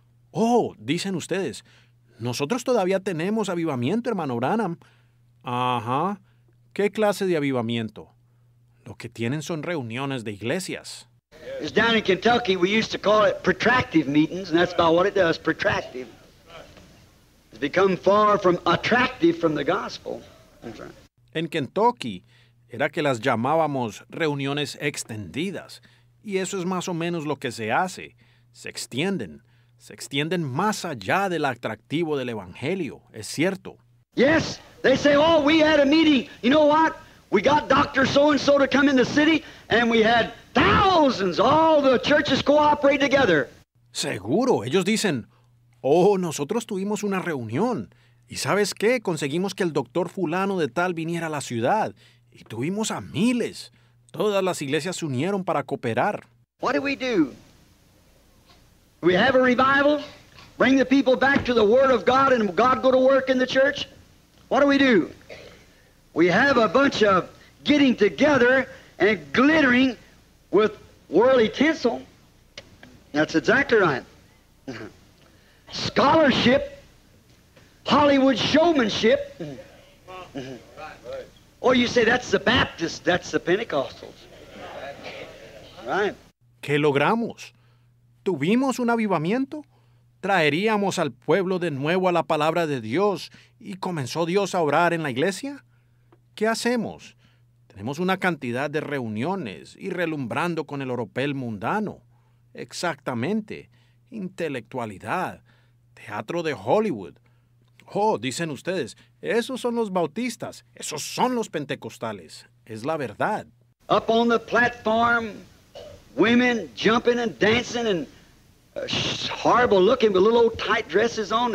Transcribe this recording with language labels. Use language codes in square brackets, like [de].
[es] Oh, dicen ustedes, nosotros todavía tenemos avivamiento, hermano Branham. Ajá. ¿Qué clase de avivamiento? Lo que tienen son reuniones de iglesias. [en] It's down in Kentucky, we used to call it protractive meetings, and that's about what it does, protractive. It's become far from attractive from the gospel. [es] En Kentucky, era que las llamábamos reuniones extendidas. Y eso es más o menos lo que se hace. Se extienden más allá del atractivo del evangelio, es cierto. [en] Yes, they say, oh, we had a meeting. You know what? We got Dr. So-and-so to come in the city, and we had thousands. All the churches cooperate together. [es] Seguro, ellos dicen, oh, nosotros tuvimos una reunión. ¿Y sabes qué? Conseguimos que el doctor fulano de tal viniera a la ciudad, y tuvimos a miles. Todas las iglesias se unieron para cooperar. [en] What do? We have a revival? Bring the people back to the word of God and God go to work in the church? What do? We have a bunch of getting together and glittering with worldly tinsel. That's exactly right. Scholarship, Hollywood showmanship. Or you say, that's the Baptist, that's the Pentecostals. Right. [es] ¿Qué logramos? ¿Tuvimos un avivamiento? ¿Traeríamos al pueblo de nuevo a la palabra de Dios y comenzó Dios a obrar en la iglesia? ¿Qué hacemos? Tenemos una cantidad de reuniones y relumbrando con el oropel mundano. Exactamente. Intelectualidad. Teatro de Hollywood. Oh, dicen ustedes, esos son los bautistas, esos son los pentecostales. Es la verdad. [en] Up on the platform, women jumping and dancing and horrible looking with little old tight dresses on.